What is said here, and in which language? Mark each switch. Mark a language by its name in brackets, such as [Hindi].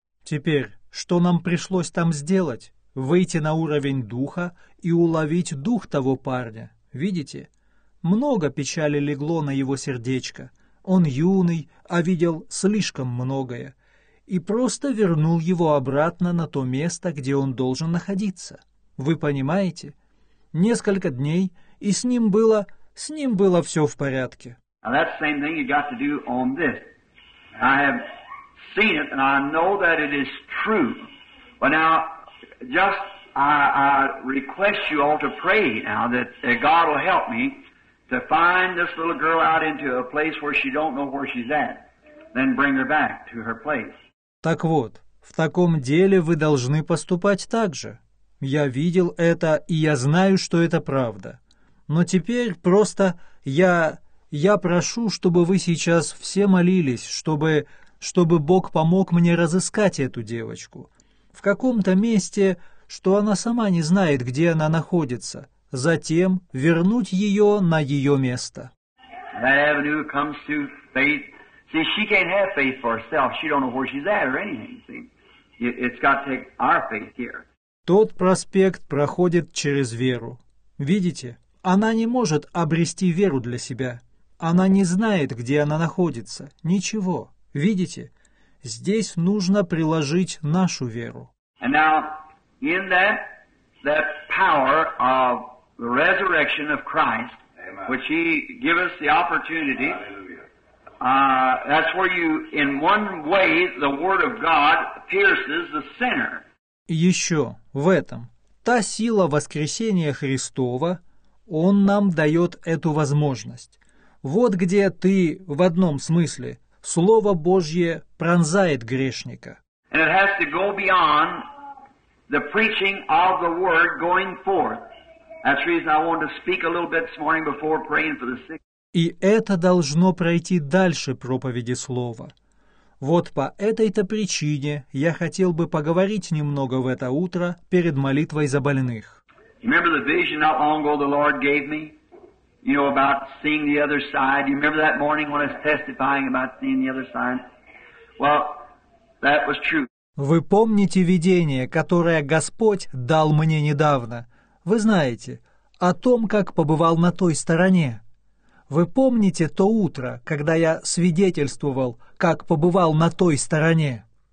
[Russian] Теперь, что нам пришлось там сделать? Выйти на уровень духа и уловить дух того парня. Видите, много печали легло на его сердечко. Он юный, а видел слишком многое, и просто вернул его обратно на то место, где он должен находиться. Вы понимаете? Несколько дней, и с ним было все в порядке. [English] Now that's the same thing you got to do on this. I have seen it, and I know that it is true. But now, just I request you all to pray now that God will help me to find this little girl out into a place where she don't know where she's at, then bring her back to her place. [Russian] Так вот, в таком деле вы должны поступать так же. Я видел это, и я знаю, что это правда. Но теперь просто я прошу, чтобы вы сейчас все молились, чтобы Бог помог мне разыскать эту девочку. В каком-то месте, что она сама не знает, где она находится. Затем вернуть ее на ее место. [English] That avenue comes through faith. See, she can't have faith for herself. She don't know where she's at or anything. See, it's got to take our faith here. [Russian] Тот проспект проходит через веру. Видите, она не может обрести веру для себя. Она не знает, где она находится. Ничего. Видите, здесь нужно приложить нашу веру. [English] And now, in that, that power of the resurrection of Christ, Amen. Which he gives us the opportunity, that's where you, in one way, the word of God pierces the sinner. [Russian] Еще в этом. Та сила воскресения Христова, Он нам дает эту возможность. Вот где ты, в одном смысле, Слово Божье пронзает грешника. [English] And it has to go beyond the preaching of the word going forth. That's the reason I wanted to speak a little bit this morning before praying for the sick. [Russian] И это должно пройти дальше проповеди Слова. Вот по этой-то причине я хотел бы поговорить немного в это утро перед молитвой за больных. [English] Remember the vision not long ago the Lord gave me? You know, about seeing the other side. You remember that morning when I was testifying about seeing the other side? Well, that was true. [Russian] Вы помните видение, которое Господь дал мне недавно? Вы знаете, о том, как побывал на той стороне. Вы помните то утро, когда я свидетельствовал, как побывал на той стороне?